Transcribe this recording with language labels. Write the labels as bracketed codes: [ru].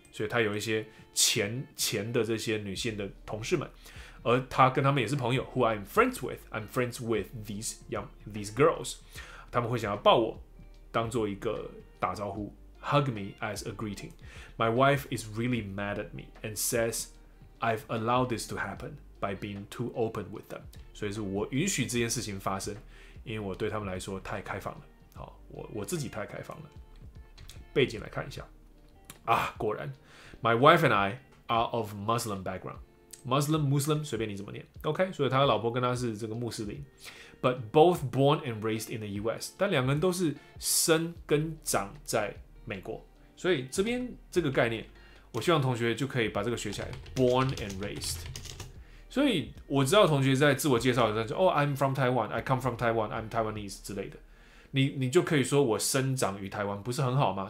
[zh] 所以它有一些前的这些女性的同事们，而她跟他们也是朋友 ， [en] who I am friends with， I'm friends with these girls。 [zh] 他们会想要抱我，当做一个打招呼 ， [en] hug me as a greeting. My wife is really mad at me and says I've allowed this to happen by being too open with them. [zh] 所以是我允许这件事情发生，因为我对他们来说太开放了。好，我自己太开放了。背景来看一下啊，果然 ， [en] my wife and I are of Muslim background. [zh] Muslim 随便你怎么念 ，OK. 所以他的老婆跟他是这个穆斯林。 [en] But both born and raised in the U.S. [zh] 但两个人都是生跟长在美国，所以这边这个概念，我希望同学就可以把这个学起来。 [en] Born and raised， [zh] 所以我知道同学在自我介绍的时候说：“哦、， [en] I'm from Taiwan, I come from Taiwan, I'm Taiwanese [zh] 之类的。你就可以说我生长于台湾，不是很好吗？